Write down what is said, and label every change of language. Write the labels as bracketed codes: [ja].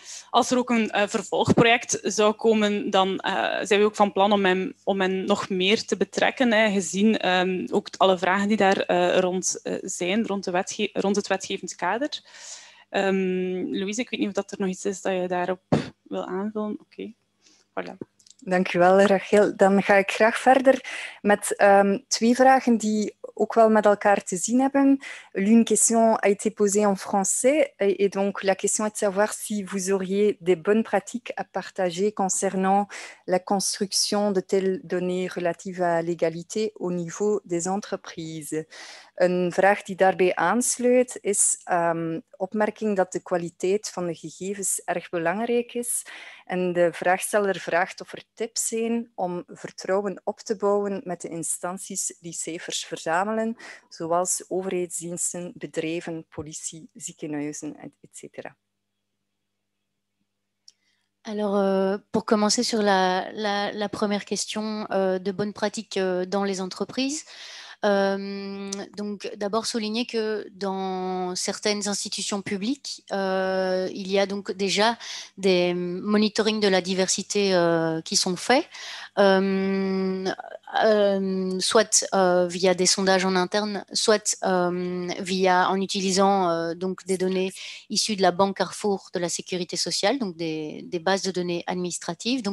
[nl] Als er ook een vervolgproject zou komen, dan zijn we ook van plan om hen nog meer te betrekken, hè, gezien ook alle vragen die daar rond zijn, rond het wetgevend kader. Louise, ik weet niet of dat er nog iets is dat je daarop wil aanvullen. Oké, voilà. Dank u wel, Rachel. Dan ga ik graag verder met twee vragen die ook wel met elkaar te zien hebben. [fr] L'une question a été posée en français et donc la question est de savoir si vous auriez des bonnes pratiques à partager concernant la construction de telles données relatives à l'égalité au niveau des entreprises. [nl] Een vraag die daarbij aansluit is opmerking dat de kwaliteit van de gegevens erg belangrijk is. En de vraagsteller vraagt of er tips zijn om vertrouwen op te bouwen met de instanties die cijfers verzamelen, zoals overheidsdiensten, bedrijven, politie, ziekenhuizen, etc. [fr] Alors, pour commencer sur la première question de bonnes pratiques dans les entreprises. Donc, d'abord souligner que dans certaines institutions publiques, il y a donc déjà des monitoring de la diversité qui sont faits, soit via des sondages en interne, soit en utilisant donc des données issues de la Banque Carrefour de la Sécurité sociale, donc des bases de données administratives.